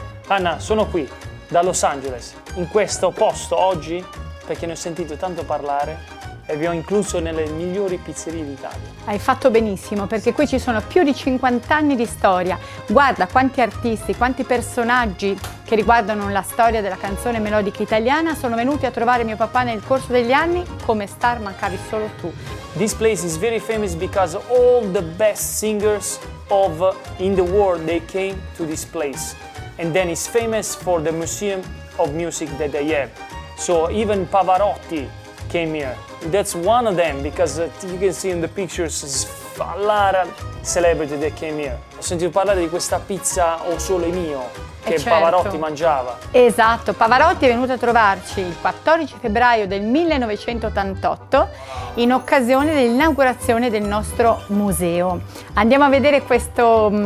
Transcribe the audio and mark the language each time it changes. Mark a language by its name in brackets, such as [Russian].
[Italian] Anna, sono qui, da Los Angeles, in questo posto oggi, perché ne ho sentito tanto parlare e vi ho incluso nelle migliori pizzerie d'Italia. Hai fatto benissimo, perché qui ci sono più di 50 anni di storia. Guarda quanti artisti, quanti personaggi che riguardano la storia della canzone melodica italiana sono venuti a trovare mio papà nel corso degli anni, come star mancavi solo tu. [English] This place is very famous because all the best singers of in the world, they came to this place. And then it's famous for the Museum of Music that they have. So even Pavarotti came here. That's one of them, because you can see in the pictures, it's a lot of celebrities that came here. [Italian] Ho sentito parlare di questa pizza O Sole Mio, che certo. Pavarotti mangiava. Esatto, Pavarotti è venuto a trovarci il 14 febbraio del 1988 in occasione dell'inaugurazione del nostro museo. Andiamo a vedere questo